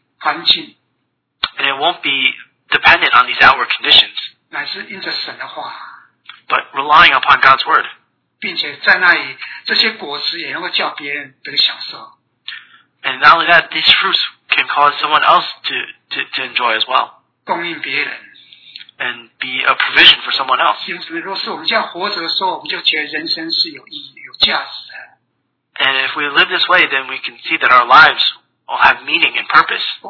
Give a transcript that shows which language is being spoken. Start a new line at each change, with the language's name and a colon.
English: And it won't be dependent on these outward conditions.
Chinese: 乃是因着神的话,
English: but relying upon God's word.
Chinese: 并且在那里，这些果实也能够叫别人得享受。
English: And not only that, these fruits can cause someone else to enjoy as well.
Chinese: 供应别人。
English: And be a provision for someone else. And if we live this way, then we can see that our lives will have meaning and purpose.